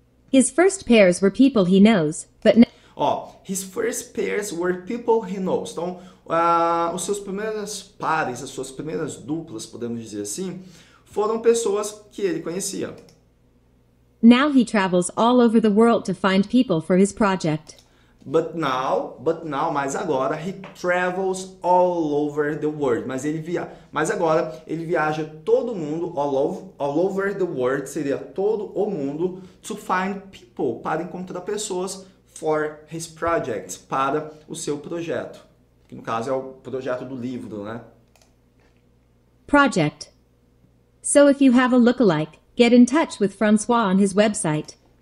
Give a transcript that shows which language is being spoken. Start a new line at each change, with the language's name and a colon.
English: His first pairs were people he knows, but... His first pairs were people he knows.
Portuguese: Então, os seus primeiros pares, as suas primeiras duplas, podemos dizer assim, foram pessoas que ele conhecia.
English: Now he travels all over the world to find people for his project. But now,
Portuguese: mas agora,
English: he travels all over the world.
Portuguese: Mas agora, ele viaja todo mundo,
English: all over the world,
Portuguese: seria todo o mundo,
English: to find people,
Portuguese: para encontrar pessoas
English: for his project,
Portuguese: para o seu projeto. Que no caso é o projeto do livro, né?
English: Project. So if you have a lookalike, get in touch with François on his website.